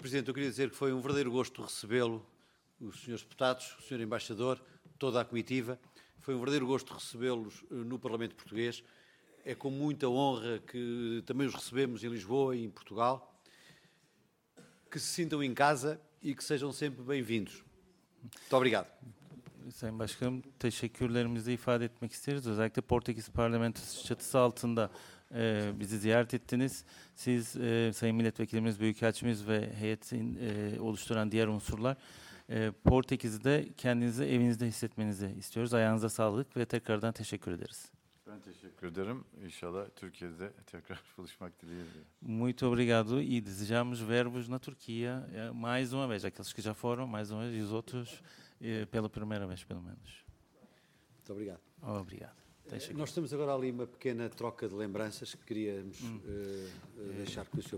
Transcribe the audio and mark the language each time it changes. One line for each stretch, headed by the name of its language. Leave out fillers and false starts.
Portuguese: Presidente, eu queria dizer que foi um verdadeiro gosto recebê-lo, os senhores deputados, o senhor embaixador, toda a comitiva. Foi um verdadeiro gosto recebê-los no Parlamento Português. É com muita honra que também os recebemos em Lisboa e em Portugal. Que se sintam em casa e que sejam sempre bem-vindos. Muito obrigado.
Turkish: Sayın Başkanım, teşekkürlerimizi ifade etmek isteriz. Özellikle Portekiz Parlamentosu çatısı altında bizi ziyaret ettiniz. Siz, Sayın Milletvekilimiz, Büyükelçimiz ve heyetin oluşturan diğer unsurlar, Portekiz'de kendinizi evinizde hissetmenizi istiyoruz. Ayağınıza sağlık ve tekrardan teşekkür ederiz. Ben teşekkür ederim. İnşallah Türkiye'de tekrar buluşmak dileğiyle.
Portuguese: Muito obrigado e desejamos ver-vos na Turquia mais uma vez. Aqueles que já foram, mais uma vez, e os outros... Pela primeira vez, pelo menos. Muito obrigado. Oh, obrigado. Nós temos agora ali uma pequena troca de lembranças que queríamos deixar com o Sr.